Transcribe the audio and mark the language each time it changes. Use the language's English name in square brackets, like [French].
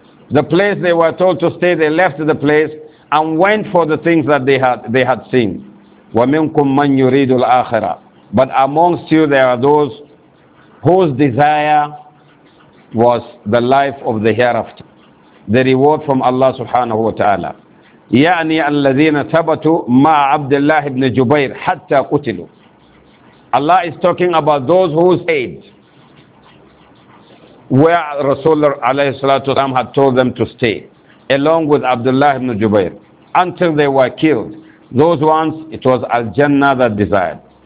[English] The place they were told to stay, they left the place and went for the things that they had seen. [Arabic] وَمِنْكُمْ مَنْ يُرِيدُ الْآخِرَةِ. [English] But amongst you there are those whose desire was the life of the hereafter, the reward from Allah subhanahu wa ta'ala. [Arabic] يعني الذين ثبتوا مع عبد الله بن جبير حتى قتلوا. [English] Allah is talking about those who stayed where Rasulullah had told them to stay, along with Abdullah ibn Jubayr, until they were killed. Those ones, it was Al-Jannah that desired.